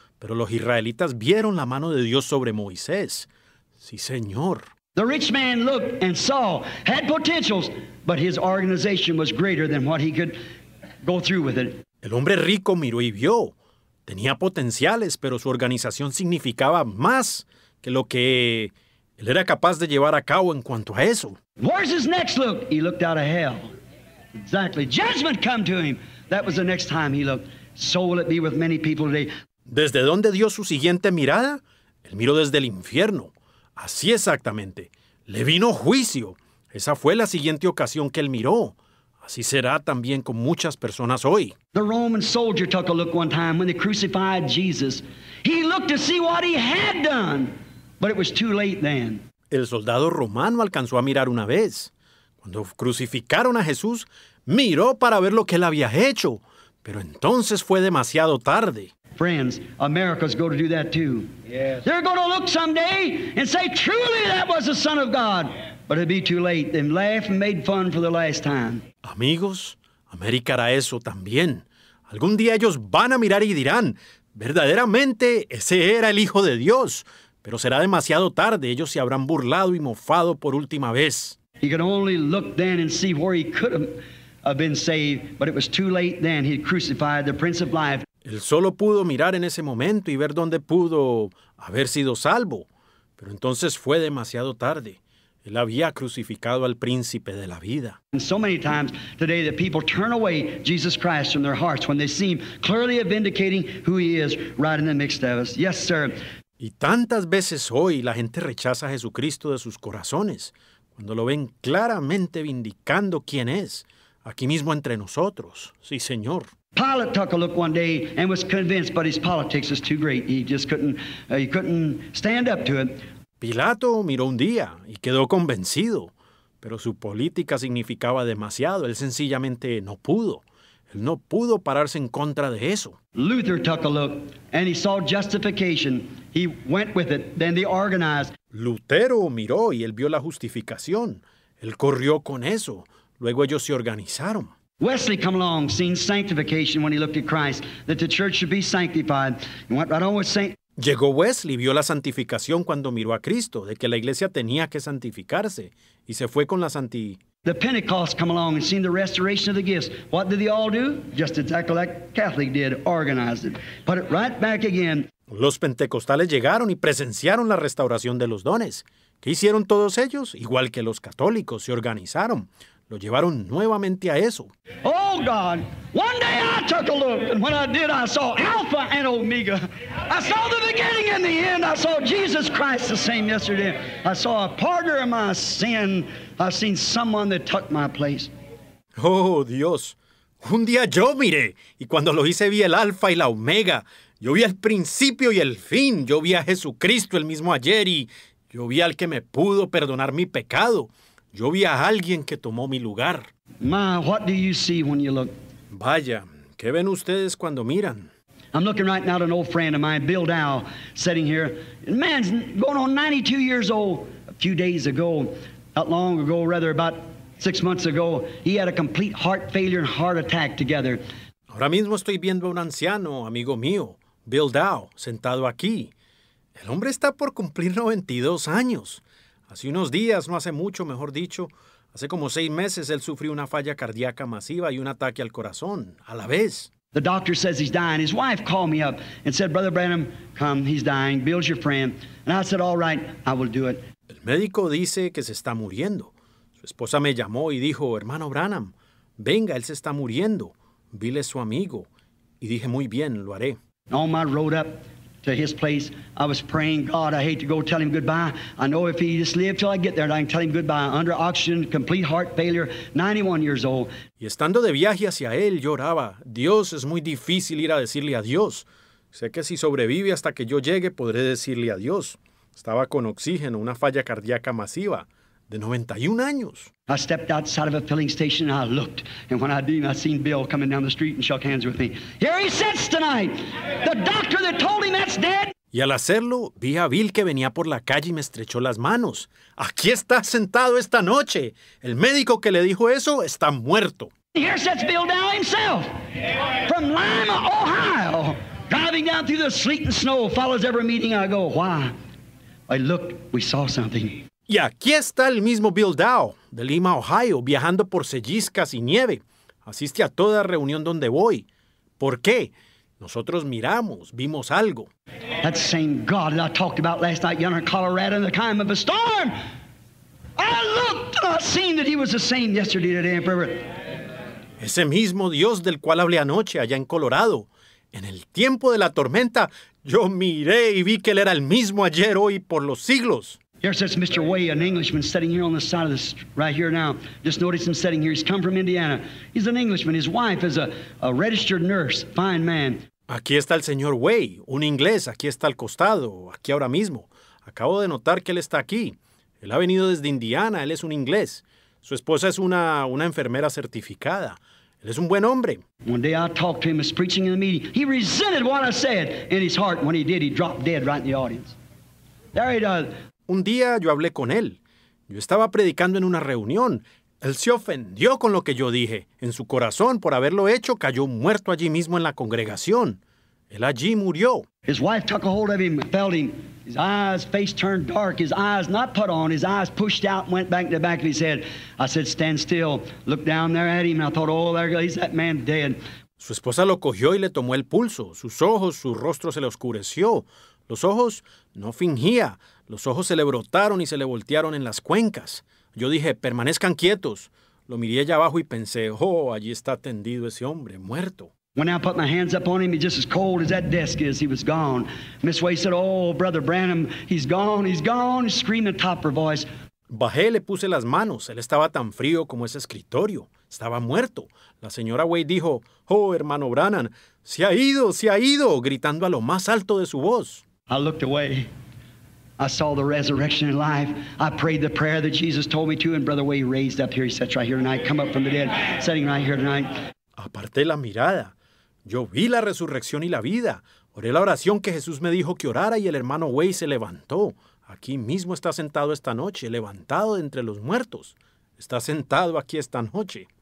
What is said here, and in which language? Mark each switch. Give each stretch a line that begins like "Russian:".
Spanish: Pero los israelitas vieron la mano de Dios sobre Moisés. Sí, señor.
English: The rich man looked and saw, had potentials, but his organization was greater than what he could go through with it.
Spanish: El hombre rico miró y vio. Tenía potenciales, pero su organización significaba más que lo que él era capaz de llevar a cabo en cuanto a eso.
English: Where's his next look? He looked out of hell. Exactly. Judgment come to him. That was the next time he looked. So will it be with many people today.
Spanish: ¿Desde dónde dio su siguiente mirada? Él miró desde el infierno. Así exactamente. Le vino juicio. Esa fue la siguiente ocasión que él miró. Así será también con muchas personas hoy.
English: The Roman soldier took a look one time when they crucified Jesus. He looked to see what he had done, but it was too late then.
Spanish: El soldado romano alcanzó a mirar una vez. Cuando crucificaron a Jesús, miró para ver lo que él había hecho, pero entonces fue demasiado tarde.
English: Friends, America's going to do that too. Yes. They're going to look someday and say, truly that was the Son of God. But it'd be too late. They laughed and made fun for the last time.
Spanish: Amigos, América hará eso también. Algún día ellos van a mirar y dirán, verdaderamente ese era el Hijo de Dios. Pero será demasiado tarde. Ellos se habrán burlado y mofado por última vez.
English: He could only look then and see where he could have been saved. But it was too late then. He crucified the Prince of Life.
Spanish: Él solo pudo mirar en ese momento y ver dónde pudo haber sido salvo. Pero entonces fue demasiado tarde. Él había crucificado al príncipe de la vida.
English: And so many times today that people turn away Jesus Christ from their hearts when they seem clearly vindicating who he is right in the midst of us. Yes, sir.
Spanish: Y tantas veces hoy la gente rechaza a Jesucristo de sus corazones cuando lo ven claramente vindicando quién es aquí mismo entre nosotros. Sí, señor.
English: Pilate took a look one day and was convinced, but his politics was too great. He couldn't stand up to it.
Spanish: Pilato miró un día y quedó convencido, pero su política significaba demasiado. Él sencillamente no pudo. Él no pudo pararse en contra de eso.
English: Luther took a look and he saw justification. He went with it. Then they organized.
Spanish: Lutero miró y él vio la justificación. Él corrió con eso. Luego ellos se organizaron.
English: Wesley come along, seen sanctification when he looked at Christ, that the church should be sanctified. He went right on with saint.
Spanish: Llegó Wesley, vio la santificación cuando miró a Cristo, de que la iglesia tenía que santificarse, y se fue con la santi.
English: The Pentecost come along and seen the restoration of the gifts. What did they all do? Just exactly like Catholic did, organized it. Put it right back again.
Spanish: Los pentecostales llegaron y presenciaron la restauración de los dones. ¿Qué hicieron todos ellos? Igual que los católicos, se organizaron. Lo llevaron nuevamente a eso.
English: Oh, God, one day I took a look, and when I did, I saw Alpha and Omega. I saw the beginning and the end. I saw Jesus Christ the same yesterday. I saw a partner of my sin. I've seen someone that took my place.
Spanish: Oh, Dios, un día yo miré, y cuando lo hice, vi el Alpha y la Omega. Yo vi el principio y el fin. Yo vi a Jesucristo el mismo ayer, y yo vi al que me pudo perdonar mi pecado. Yo vi a alguien que tomó mi lugar.
English: Ma, what do you see when you look?
Spanish: Vaya, ¿qué ven ustedes cuando miran?
English: I'm looking right now at an old friend of mine, Bill Dow, sitting here. The man's going on 92 years old. A few days ago, not long ago, rather about 6 months ago, he had a complete heart failure and heart attack together.
Spanish: Ahora mismo estoy viendo a un anciano, amigo mío, Bill Dow, sentado aquí. El hombre está por cumplir 92 años. Hace unos días, no hace mucho, mejor dicho, hace como 6 meses, él sufrió una falla cardíaca masiva y un ataque al corazón, a la vez.
English: The doctor says he's dying. His wife called me up and said, Brother Branham, come, he's dying. Bill's your friend. And I said, all right, I will do it.
Spanish: El médico dice que se está muriendo. Su esposa me llamó y dijo, hermano Branham, venga, él se está muriendo. Bill es su amigo. Y dije, muy bien, lo haré.
English: On my road up to his place, I was praying, God, I hate to go tell him goodbye. I know if he just lived till I get there, I can tell him goodbye. Under oxygen, complete heart failure, 91 years old.
Spanish: Y estando de viaje hacia él, lloraba. Dios, es muy difícil ir a decirle adiós. Sé que si sobrevive hasta que yo llegue, podré decirle adiós. Estaba con oxígeno, una falla cardíaca masiva, de 91 años.
English: I stepped outside of a filling station and I looked. And when I did, I seen Bill coming down the street and shook hands with me. Here he sits tonight. The doctor that told him that's dead.
Spanish: Y al hacerlo, vi a Bill que venía por la calle y me estrechó las manos. Aquí está sentado esta noche. El médico que le dijo eso está muerto.
English: Here sits Bill Dow himself. From Lima, Ohio. Driving down through the sleet and snow. Follows every meeting I go. Why? I looked. We saw something.
Spanish: Y aquí está el mismo Bill Dow, de Lima, Ohio, viajando por celliscas y nieve. Asiste a toda reunión donde voy. ¿Por qué? Nosotros miramos, vimos algo.
English: That same God that I talked about last night, yonder in Colorado in the time of a storm. I looked and I seen that he was the same yesterday, today, and forever.
Spanish: Ese mismo Dios del cual hablé anoche allá en Colorado. En el tiempo de la tormenta, yo miré y vi que él era el mismo ayer, hoy, por los siglos.
English: Here sits Mr. Way, an Englishman, sitting here on the side of this, right here now. Just notice him sitting here. He's come from Indiana. He's an Englishman. His wife is a registered nurse. Fine man.
Spanish: Aquí está el señor Way, un inglés. Aquí está al costado, aquí ahora mismo. Acabo de notar que él está aquí. Él ha venido desde Indiana. Él es un inglés. Su esposa es una enfermera certificada. Él es un buen hombre.
English: One day I talked to him. He was preaching in the meeting. He resented what I said in his heart. When he did, he dropped dead right in the audience. There he does.
Spanish: Un día yo hablé con él. Yo estaba predicando en una reunión. Él se ofendió con lo que yo dije. En su corazón, por haberlo hecho, cayó muerto allí mismo en la congregación. Él allí murió.
English: His wife took a hold of him, felt him. His eyes, face turned dark. His eyes not put on. His eyes pushed out and went back to the back of his head. I said, stand still. Look down there at him. And I thought, oh, there he goes. He's that man dead.
Spanish: Su esposa lo cogió y le tomó el pulso. Sus ojos, su rostro se le oscureció. Los ojos no fingía. Los ojos se le brotaron y se le voltearon en las cuencas. Yo dije, permanezcan quietos. Lo miré allá abajo y pensé, oh, allí está tendido ese hombre, muerto.
English: When I put my hands up on him, he's just as cold as that desk is. He was gone. Miss Way said, oh, Brother Branham, he's gone, he's gone. He screamed at the top of her voice.
Spanish: Bajé, le puse las manos. Él estaba tan frío como ese escritorio. Estaba muerto. La señora Way dijo, oh, hermano Branham, se ha ido, gritando a lo más alto de su voz.
English: I looked away. I saw the resurrection and life. I prayed the prayer that Jesus told me to, and Brother Way raised up here. He sits right here tonight. Come up from the dead, sitting right here tonight.
Spanish: Aparté la mirada. Yo vi la resurrección y la vida. Oré la oración que Jesús me dijo que orara y el hermano Way se levantó. Aquí mismo está sentado esta noche, levantado de entre los muertos. Está sentado aquí esta noche.